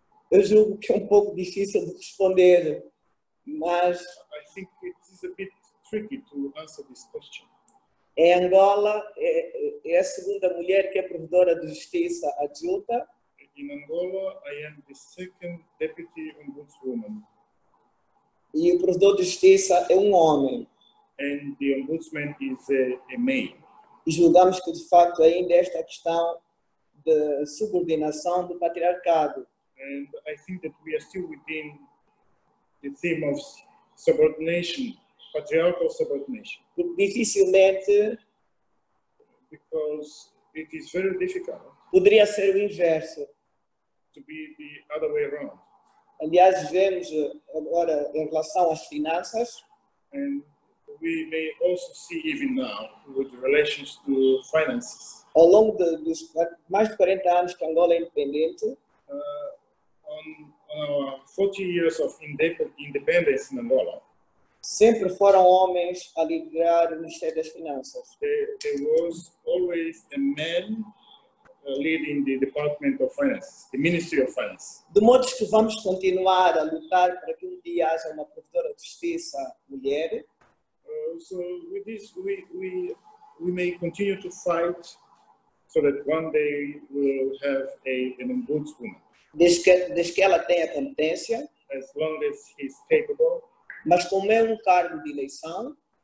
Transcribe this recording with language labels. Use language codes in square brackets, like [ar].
[pt] eu julgo que é pouco difícil de responder, mas [en] I think it is a bit tricky to answer this question. [pt] Em Angola, é a segunda mulher que é provedora de justiça adjunta. [en] In Angola, I am the second deputy ombudswoman. [pt] E o provedor de justiça é homem. [en] And the ombudsman is a man. [pt] E julgamos que, de facto, ainda esta questão de subordinação do patriarcado. [en] And I think that we are still within the theme of subordination, patriarchal subordination. [pt] Porque dificilmente... [en] Because it is very difficult. [pt] Poderia ser o inverso. [en] To be the other way around. [pt] Aliás, vemos agora em relação às finanças. [en] And we may also see even now with relations to finances. [pt] Ao longo dos mais de 40 anos que Angola é independente. [en] On 40 years of independence in Angola. [pt] Sempre foram homens a liderar o Ministério das Finanças. [en] There was always a man leading the Department of Finance, the Ministry of Finance. [pt] De modo que vamos continuar a lutar para que um dia haja uma provedora de justiça mulher. [en] So with this we may continue to fight so that one day we'll have an ombudswoman. [pt] Desde que ela tenha competência. [en] As long as he's capable. [pt] Mas como é cargo de eleição.